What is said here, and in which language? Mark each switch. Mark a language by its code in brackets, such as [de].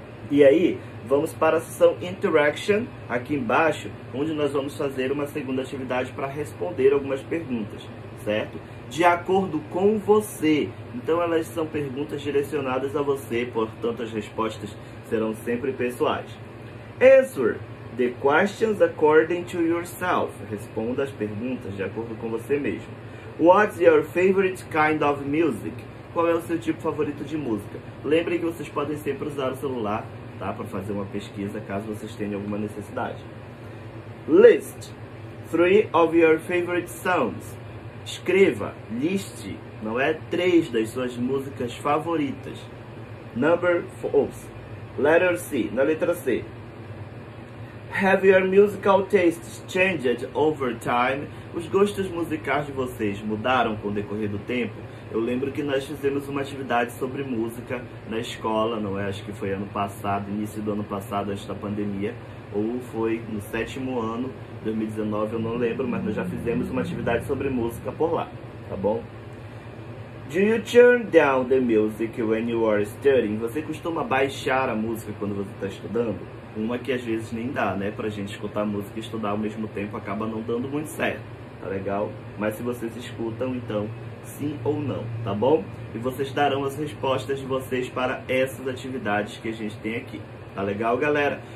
[pt] E aí, vamos para a sessão Interaction, aqui embaixo, onde nós vamos fazer uma segunda atividade para responder algumas perguntas, certo? De acordo com você. Então, elas são perguntas direcionadas a você, portanto, as respostas serão sempre pessoais. [en] Answer the questions according to yourself. [pt] Responda as perguntas de acordo com você mesmo. [en] What's your favorite kind of music? [pt] Qual é o seu tipo favorito de música? Lembrem que vocês podem sempre usar o celular, tá? Para fazer uma pesquisa, caso vocês tenham alguma necessidade. [en] List 3 of your favorite songs. [pt] Escreva, liste, não é? 3 das suas músicas favoritas. [en] Number 4. Letter C. [pt] Na letra C. [en] Have your musical tastes changed over time? [pt] Os gostos musicais de vocês mudaram com o decorrer do tempo? Eu lembro que nós fizemos uma atividade sobre música na escola, não é? Acho que foi ano passado, início do ano passado, antes da pandemia. Ou foi no sétimo ano, 2019, eu não lembro, mas nós já fizemos uma atividade sobre música por lá, tá bom? [en] Do you turn down the music when you are studying? [pt] Você costuma baixar a música quando você está estudando? Uma que às vezes nem dá, né? Pra gente escutar música e estudar ao mesmo tempo acaba não dando muito certo, tá legal? Mas se vocês escutam, então sim ou não, tá bom? E vocês darão as respostas de vocês para essas atividades que a gente tem aqui, tá legal, galera?